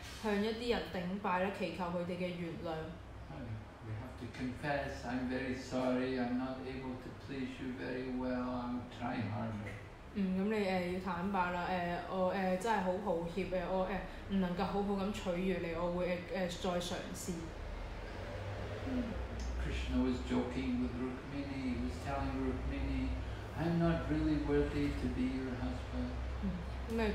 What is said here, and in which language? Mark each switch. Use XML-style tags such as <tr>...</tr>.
<zh>有時候你可能要去向一些人頂拜，祈求他們的原諒。</zh> <en>We have to confess, I'm very sorry, I'm not able to please you very well, I'm trying harder.</en> <zh>那你要坦白了，我真的很抱歉，我不能夠好好地取悅你，我會再嘗試。</zh> <en>Krishna was joking with Rukmini, he was telling Rukmini, I'm not really worthy to be your husband.</en>